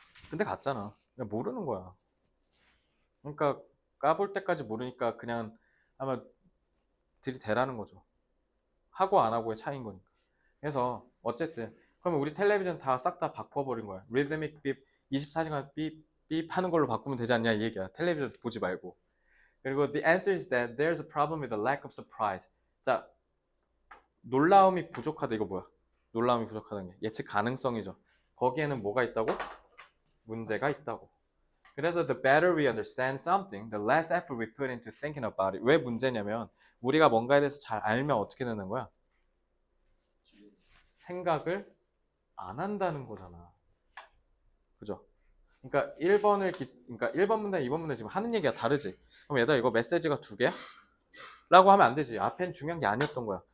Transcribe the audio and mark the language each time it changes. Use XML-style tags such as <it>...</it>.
<ko>근데 갔잖아. 그냥 모르는 거야. 그러니까 까볼 때까지 모르니까 그냥 아마 들이대라는 거죠. 하고 안 하고의 차이인 거니까. 그래서 어쨌든 그러면 우리 텔레비전 다싹다 바꿔버린 거야. 리드믹 빕, 24시간 빕, 빕 하는 걸로 바꾸면 되지 않냐 이 얘기야. 텔레비전 보지 말고. 그리고</ko> <en>the answer is that there's a problem with the lack of surprise.</en> <ko>자, 놀라움이 부족하다. 이거 뭐야? 놀라움이 부족하다는 게 예측 가능성이죠. 거기에는 뭐가 있다고? 문제가 있다고. 그래서</ko> <en>the better we understand something, the less effort we put into thinking about it.</en> <ko>왜 문제냐면 우리가 뭔가에 대해서 잘 알면 어떻게 되는 거야? 생각을 안 한다는 거잖아. 그죠? 그러니까 그러니까 1번 문단, 2번 문단 지금 하는 얘기가 다르지. 그럼 얘들아 이거 메시지가 두 개야? 라고 하면 안 되지. 앞엔 중요한 게 아니었던 거야.</ko>